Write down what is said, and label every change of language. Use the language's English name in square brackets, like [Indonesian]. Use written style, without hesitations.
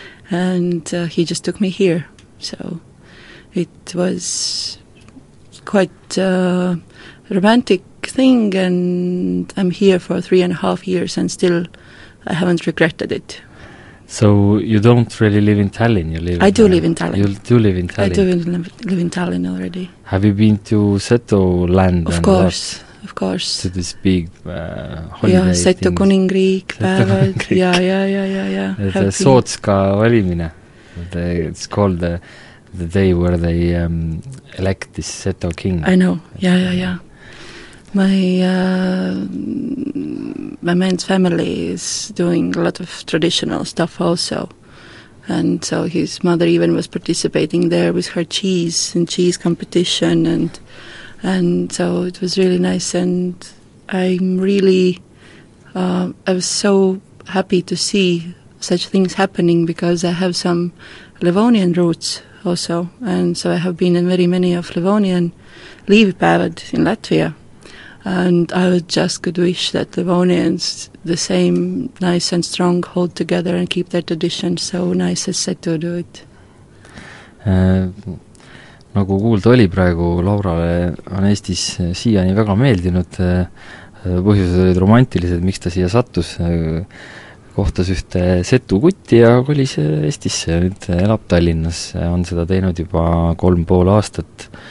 [English] And he just took me here. So it was quite a romantic thing and I'm here for 3.5 years and still I haven't regretted it. So you don't really live in Tallinn, you live I do live in Tallinn. You do live in Tallinn. I do live in Tallinn already. Have you been to Seto land? Of course, of course. To this big holiday. [Estonian] Yeah, Seto Kuningriik, päevad. [English] Yeah. [Estonian] Sootska valimine. [English] It's called the day where they elect this Seto king. I know. Yeah. My man's family is doing a lot of traditional stuff also. And so his mother even was participating there with her cheese and cheese competition and so it was really nice and I'm really I was so happy to see such things happening because I have some Livonian roots also and so I have been in very many of Livonian Liivpäevad in Latvia. And I would just could wish that Livonians, the same nice and strong, hold together and keep their tradition so nice as Seto do it. [Estonian] Nagu kuulda oli praegu, Laurale on Eestis siiani väga meeldinud. Põhjused olid romantilised, miks ta siia sattus. Kohtas ühte Setu kutti ja kolis Eestisse. Nüüd elab Tallinnas, on seda teinud juba 3.5 aastat.